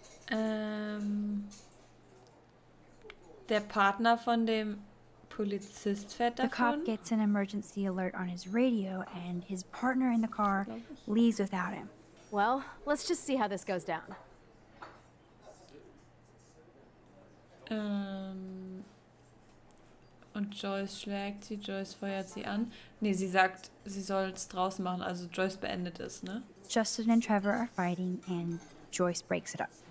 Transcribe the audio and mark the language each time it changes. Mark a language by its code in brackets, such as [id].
[de] Der Partner von dem Polizist fährt davon. [en] The cop gets an emergency alert on his radio and his partner in the car leaves without him. Well, let's just see how this goes down. [de] Und Joyce schlägt sie, Joyce feuert sie an. Nee, sie sagt, sie soll es draußen machen, also Joyce beendet es, ne? [en] Justin and Trevor are fighting and Joyce breaks it up.